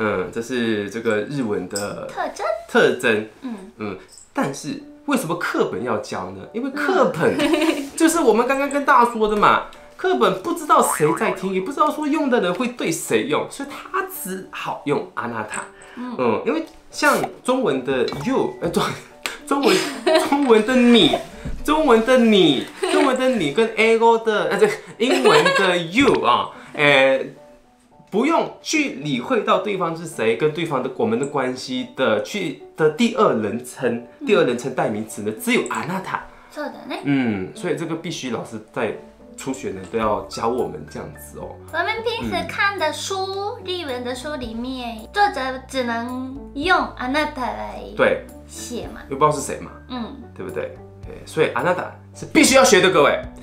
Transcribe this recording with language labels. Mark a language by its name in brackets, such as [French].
[Chinese] 这是这个日文的特征。特征，但是为什么课本要教呢？因为课本就是我们刚刚跟大家说的嘛，课本不知道谁在听，也不知道说用的人会对谁用，所以他只好用あなた。因为像中文的 you， 中文的你跟 ego 的英文的 you 啊，不用去理会到对方是谁，跟对方的我们的关系的去的第二人称，第二人称代名词呢，只有あなた。 [Japanese] そうだね。 [Chinese] 所以这个必须老师在初学呢都要教我们这样子哦。我们平时看的书，日文的书里面，作者只能用あなた来对写嘛，又不知道是谁嘛，对不对？所以あなた是必须要学的，各位。